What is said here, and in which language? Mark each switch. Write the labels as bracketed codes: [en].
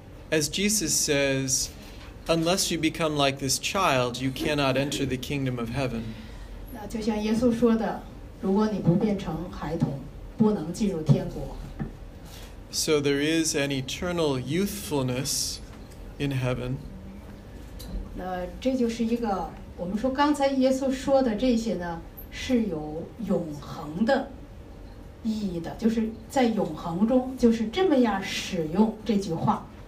[en] As Jesus says, unless you become like this child, you cannot enter the kingdom of heaven. [zh] 那就像耶稣说的，如果你不变成孩童，不能进入天国。 [en] So there is an eternal youthfulness in heaven. [zh] 那这就是一个我们说刚才耶稣说的这些呢是有永恒的意义的，就是在永恒中就是这么样使用这句话。